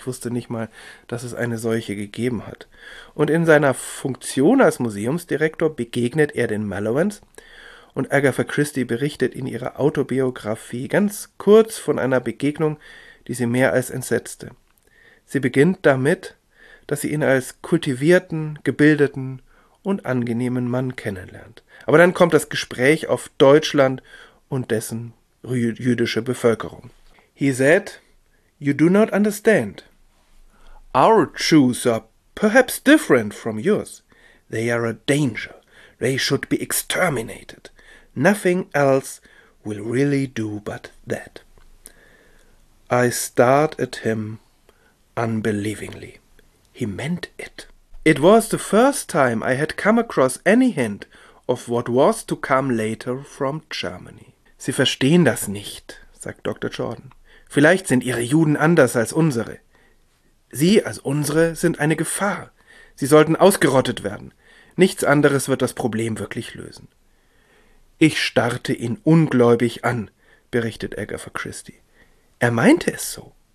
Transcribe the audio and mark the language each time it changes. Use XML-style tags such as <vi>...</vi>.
<de>Ich wusste nicht mal, dass es eine solche gegeben hat. Und in seiner Funktion als Museumsdirektor begegnet er den Mallowans und Agatha Christie berichtet in ihrer Autobiografie ganz kurz von einer Begegnung, die sie mehr als entsetzte. Sie beginnt damit, dass sie ihn als kultivierten, gebildeten und angenehmen Mann kennenlernt. Aber dann kommt das Gespräch auf Deutschland und dessen jüdische Bevölkerung.</de> <en>He said, "You do not understand. Our Jews are perhaps different from yours. They are a danger. They should be exterminated. Nothing else will really do but that." I stared at him unbelievingly. He meant it. It was the first time I had come across any hint of what was to come later from Germany.</en> <de>Sie verstehen das nicht, sagt Dr. Jordan. Vielleicht sind ihre Juden anders als unsere. Sie, als unsere, sind eine Gefahr. Sie sollten ausgerottet werden. Nichts anderes wird das Problem wirklich lösen. Ich starrte ihn ungläubig an, berichtet Agatha Christie. Er meinte es so.</de>